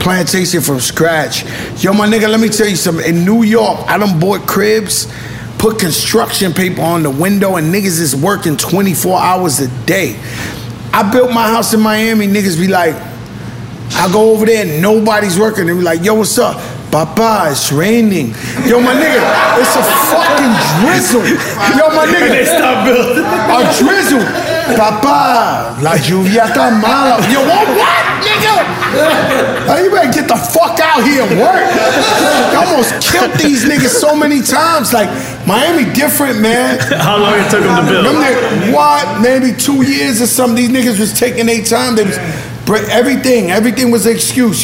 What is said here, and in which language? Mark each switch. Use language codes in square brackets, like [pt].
[en] Plantation from scratch. Yo, my nigga, let me tell you something. In New York, I done bought cribs, put construction paper on the window, and niggas is working 24 hours a day. I built my house in Miami, niggas be like, I go over there and nobody's working. They be like, yo, what's up? Papa, it's raining. Yo, my nigga, it's a fucking drizzle. Yo, my nigga. They stop building. A drizzle. [es] Papa, la lluvia está mala. [en] Yo, what, nigga? Now you better get the fuck out here and work. I almost killed these niggas so many times. Like, Miami different, man. How long it took them to build? Remember, what? Maybe 2 years or something. These niggas was taking their time. They was, everything was an excuse.